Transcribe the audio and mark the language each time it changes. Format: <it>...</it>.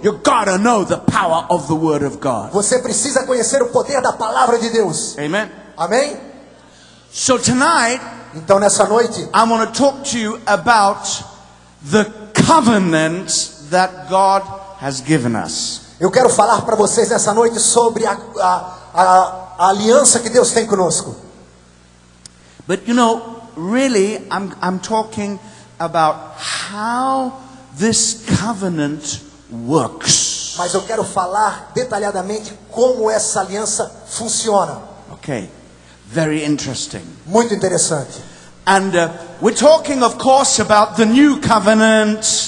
<en>You gotta know the power of the word of God.</en> <pt>Você precisa conhecer o poder da palavra de Deus.</pt> <en>Amen.</en> <pt>Amém.</pt> <en>So tonight,</en> <pt>então nessa noite,</pt> <en>I want to talk to you about the covenant that God has given us.</en> <pt>Eu quero falar para vocês nessa noite sobre a aliança que Deus tem conosco.</pt> <en>But you know, really, I'm talking about how this covenant works.</en> <pt>Mas eu quero falar detalhadamente como essa aliança funciona.</pt> <en>Okay. Very interesting.</en> <pt>Muito interessante.</pt> <en>And we're talking, of course, about the new covenant.</en>